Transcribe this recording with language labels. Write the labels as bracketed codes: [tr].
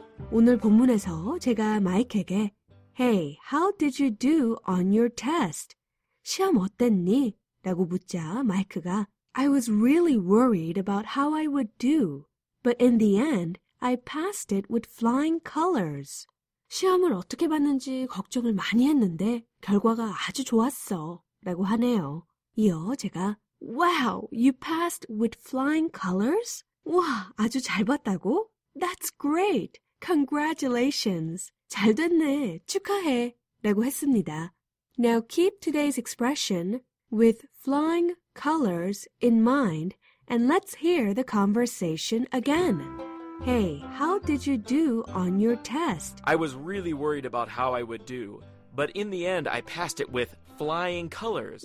[ko] 오늘 본문에서 제가 마이크에게 [en] Hey, how did you do on your test? [ko] 시험 어땠니? 라고 묻자 마이크가 [en] I was really worried about how I would do, but in the end, I passed it with flying colors. [ko] 시험을 어떻게 봤는지 걱정을 많이 했는데 결과가 아주 좋았어 라고 하네요. 이어 제가 [en] Wow, you passed with flying colors? [ko] 와, 아주 잘 봤다고? [en] That's great. Congratulations. [ko] 잘 됐네, 축하해, 라고 했습니다. [en] Now keep today's expression with flying colors in mind and let's hear the conversation again. Hey, how did you do on your test? I was really worried about how I would do, but in the end I passed it with flying colors.